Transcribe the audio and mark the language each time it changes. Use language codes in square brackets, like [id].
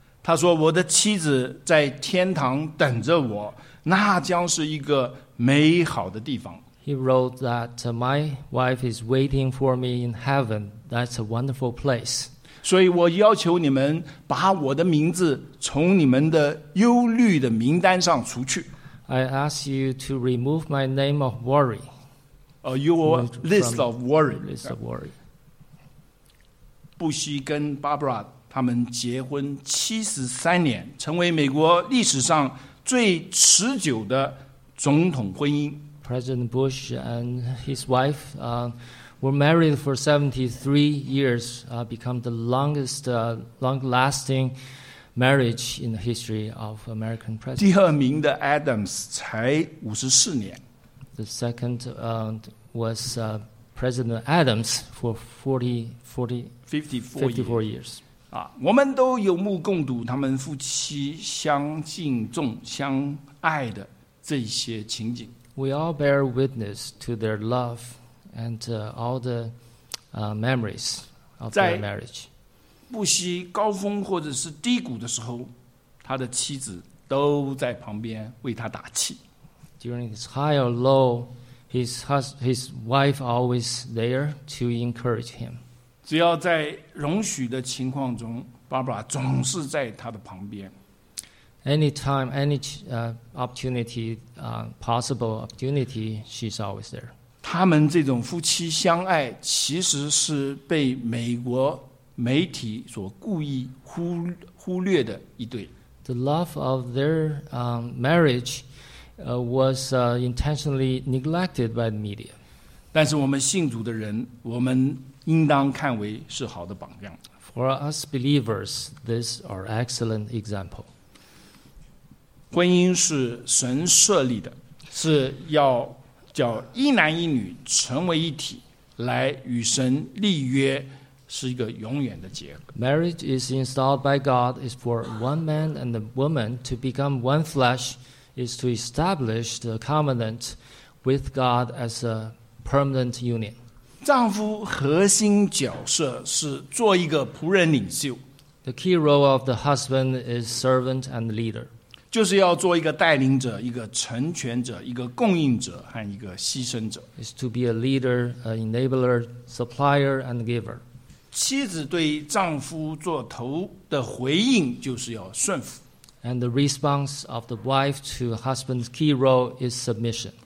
[zh] 他说：“我的妻子在天堂等着我，那将是一个。” 美好的地方。 [en] He wrote that my wife is waiting for me in heaven. That's a wonderful place. [zh] 所以我要求你们把我的名字从你们的忧虑的名单上除去。 [en] I ask you to remove my name of worry. Your list of worry. [zh] 布希跟 Barbara 他们结婚73年，成为美国历史上最持久的。总统婚姻 [en] President Bush and his wife were married for 73 years, become the longest, long-lasting marriage in the history of American presidents. [zh] 第二名的 Adams 才54年。 [en] The second was President Adams for 54 years. [zh] 啊，我们都有目共睹他们夫妻相敬重、相爱的。这些情景 [en] We all bear witness to their love and all the memories of their marriage. [zh] 不惜高峰或者是低谷的时候，他的妻子都在旁边为他打气。 [en] During his high or low, his wife always there to encourage him. [zh] 只要在容许的情况中 ，Barbara 总是在他的旁边。 [en] Anytime, any opportunity, possible opportunity, she's always there. [zh] 他们这种夫妻相爱，其实是被美国媒体所故意忽略的一对。 [en] The love of their marriage was intentionally neglected by the media. [zh] 但是我们信主的人，我们应当看为是好的榜样。 [en] For us believers, these are excellent examples. [zh] 婚姻是神设立的，是要叫一男一女成为一体，来与神立约，是一个永远的结合。 [en] Marriage is installed by God, is for one man and a woman to become one flesh, is to establish the covenant with God as a permanent union. [zh] 丈夫核心角色是做一个仆人领袖。 [en] The key role of the husband is servant and leader. [zh] 就是要做一个带领者，一个成全者，一个供应者和一个牺牲者。 [en] Is to be a leader, an enabler, supplier, and giver. [zh] 妻子对丈夫做头的回应就是要顺服。 [en] And the response of the wife to husband's key role is submission.